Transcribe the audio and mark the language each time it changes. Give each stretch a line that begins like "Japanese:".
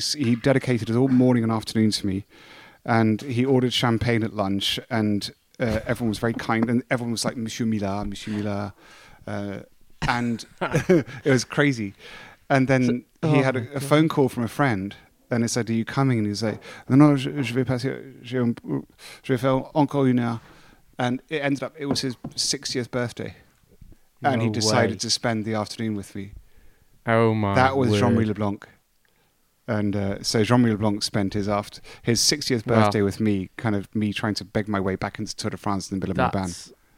English: He dedicated his all morning and afternoon to me and he ordered champagne at lunch and everyone was very kind and everyone was like, Monsieur Millard. And it was crazy. And then he had a phone call from a friend and he said, "Are you coming?"
French: And he's like, "No, je vais passer, je vais faire encore une heure."
English: And it ended up, it was his 60th birthday. And he decided to spend the afternoon with me. Oh my. That was Jean-Louis Leblanc. And so Jean-Louis Leblanc spent his 60th birthday with me, kind of me trying to beg my way back into Tour de France in the middle of my band.